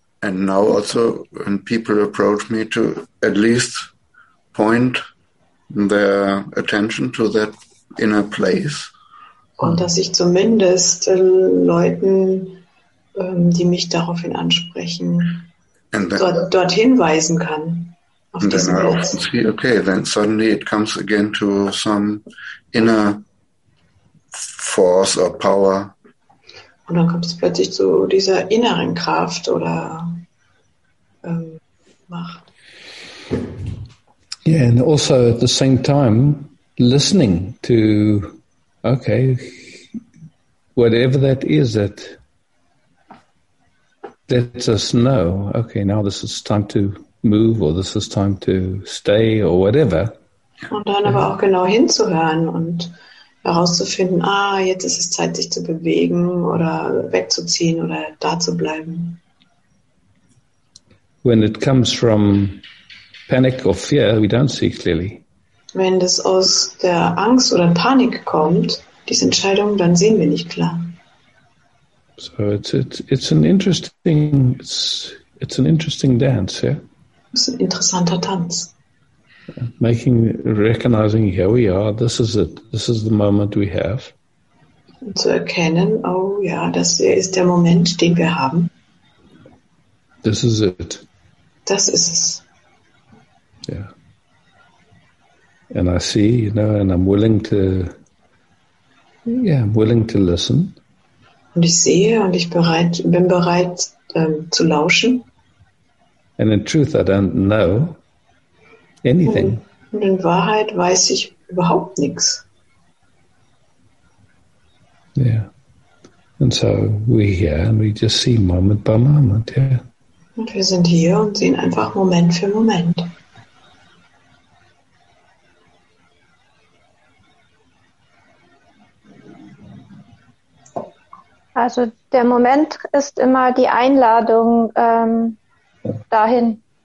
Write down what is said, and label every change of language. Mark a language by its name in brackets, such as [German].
[English] And now also, when people approach me to at least point their attention to that inner place. [German] Und dass ich zumindest Leuten, die mich daraufhin ansprechen, dorthin weisen kann. Auf diesen Platz. [English] And then I see, okay, then suddenly it comes again to some inner force or power. [German] Und dann kommt es plötzlich zu dieser inneren Kraft oder Macht. [English] Yeah, and also at the same time, listening to, okay, whatever that is that lets us know, okay, now this is time to move or this is time to stay or whatever. [German] Und dann aber auch genau hinzuhören und herauszufinden, ah, jetzt ist es Zeit, sich zu bewegen oder wegzuziehen oder da zu bleiben. [English] When it comes from panic or fear, we don't see clearly. [German] Wenn das aus der Angst oder Panik kommt, diese Entscheidung, dann sehen wir nicht klar. [English] So it's an interesting dance, yeah. [German] Es ist ein interessanter Tanz. [English] Making, recognizing, here we are, this is it, this is the moment we have. [German] Und zu erkennen, oh ja, das ist der Moment, den wir haben. [English] This is it. [German] Das ist es. [English] Yeah. And I see, you know, and I'm willing to, yeah, I'm willing to listen. [German] Und ich sehe und ich bin bereit zu lauschen. [English] And in truth, I don't know anything. [German] Und in Wahrheit weiß ich überhaupt nichts. [English] Yeah. And so we're here and we just see moment by moment, yeah. [German] Und wir sind hier und sehen einfach Moment für Moment. Also der Moment ist immer die Einladung dahin.